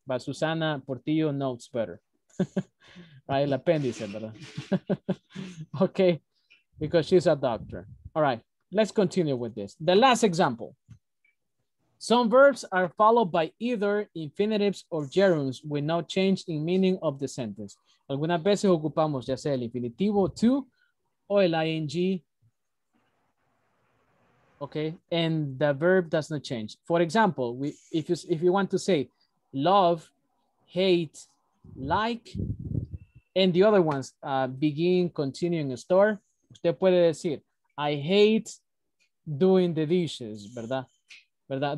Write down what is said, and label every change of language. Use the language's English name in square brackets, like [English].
[English] But Susana Portillo knows better. Right, [Spanish] el apéndice, ¿verdad? [English] Okay, because she's a doctor. All right, let's continue with this. The last example. Some verbs are followed by either infinitives or gerunds with no change in meaning of the sentence. [Spanish] Algunas veces ocupamos ya sea el infinitivo to o el ing. [English] Okay, and the verb does not change. For example, if you want to say love, hate, like, and the other ones, begin, continue, and start. [Spanish] Usted puede decir, [English] I hate doing the dishes, ¿verdad? ¿Verdad?